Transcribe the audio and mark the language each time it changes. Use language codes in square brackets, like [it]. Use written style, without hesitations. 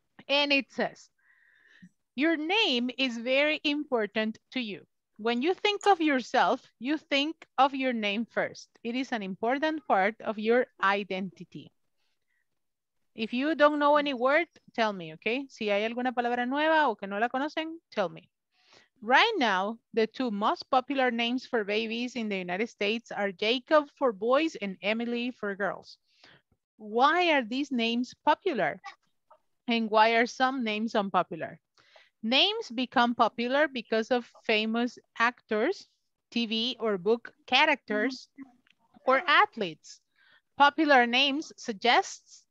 [en] And it says, your name is very important to you. When you think of yourself, you think of your name first. It is an important part of your identity. If you don't know any word, tell me, okay? [es] Si hay alguna palabra nueva o que no la conocen, tell me. [en] Right now, the two most popular names for babies in the United States are Jacob for boys and Emily for girls. Why are these names popular? And why are some names unpopular? Names become popular because of famous actors, TV or book characters, or athletes. Popular names suggest